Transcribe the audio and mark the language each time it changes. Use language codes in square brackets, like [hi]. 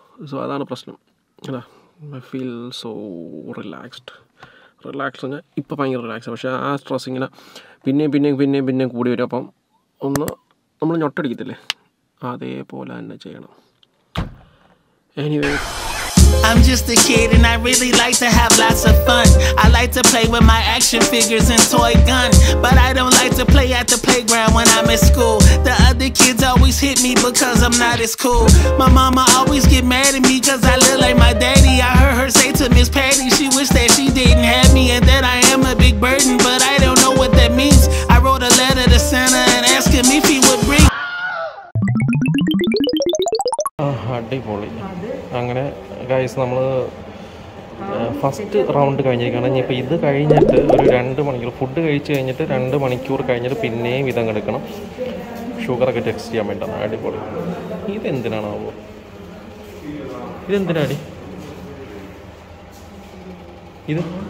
[ml] So അതാണ് പ്രശ്നം അല്ലേ. [en] I feel so relaxed. [ml] Relax ഞാൻ ഇപ്പോൾ ഭയങ്കര റിലാക്സാണ്. പക്ഷേ ആ സ്ട്രെസ് ഇങ്ങനെ പിന്നെയും പിന്നെയും പിന്നെയും പിന്നെയും കൂടി വരും. അപ്പം ഒന്ന് നമ്മൾ ഞൊട്ടടിക്കത്തില്ലേ, അതേപോലെ തന്നെ ചെയ്യണം. [en] Anyway, I'm just a kid and I really like to have lots of fun. I like to play with my action figures and toy gun. But I don't like to play at the playground when I'm at school. The other kids always hit me because I'm not as cool. My mama always get mad at me cause I look like my daddy. I heard her say to Miss Patti she wish that she didn't have me. And that I am a big burden but I don't know what that means. I wrote a letter to Santa and asked him if he would bring [ml] അടിപൊളി. അങ്ങനെ guys, നമ്മൾ first round കഴിഞ്ഞിരിക്കുകയാണ്. ഇനിയിപ്പോൾ ഇത് കഴിഞ്ഞിട്ട് ഒരു 2 മണിക്കൂർ food കഴിച്ച് കഴിഞ്ഞിട്ട് 2 മണിക്കൂർ കഴിഞ്ഞിട്ട് പിന്നെയും ഇതങ്ങ് എടുക്കണം, ഷുഗറൊക്കെ ടെസ്റ്റ് ചെയ്യാൻ വേണ്ടിയാണ്. അടിപൊളി. ഇതെന്തിനാണ് ആവോ, ഇതെന്തിനാടി ഇത്?